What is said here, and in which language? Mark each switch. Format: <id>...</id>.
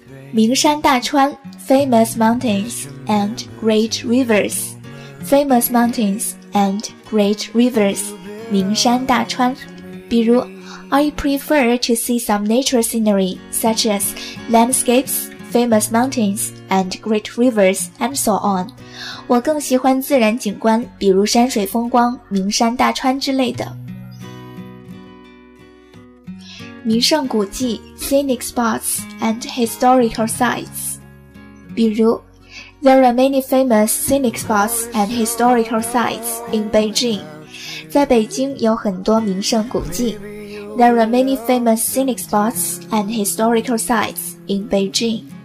<en>名山大川 Famous mountains and great rivers Famous mountains and great rivers, 名山大川。比如 I prefer to see some natural scenery such as landscapes, famous mountains, and great rivers, and so on.</en> <zh>我更喜欢自然景观，比如山水风光、名山大川之类的。</zh> <en>名胜古迹 scenic spots and historical sites. 比如 There are many famous scenic spots and historical sites in Beijing.</en> <zh>在北京有很多名胜古迹。</zh> <en>There are many famous scenic spots and historical sites in Beijing.</en>